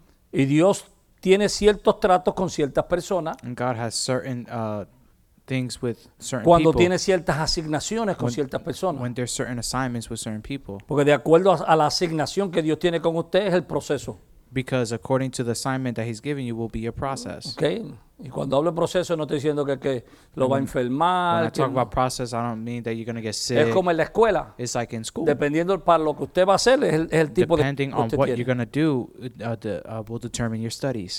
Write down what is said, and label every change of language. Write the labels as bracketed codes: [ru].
[es] Y Dios tiene ciertos tratos con ciertas personas. [en] And God has certain things with certain people. [es] Cuando tiene ciertas asignaciones con ciertas personas. [en] When there's certain assignments with certain people. [es] Porque de acuerdo a la asignación que Dios tiene con usted es el proceso. [en] Because according to the assignment that he's giving you will be a process. Okay. [es] Y cuando hablo de proceso no estoy diciendo que lo va a enfermar. [en] When I talk about process, I don't mean that you're going to get sick. [es] Es como en la escuela. [en] It's like in school. [es] Dependiendo para lo que usted va a hacer es el tipo de [en] depending on what you're going to do will determine your studies.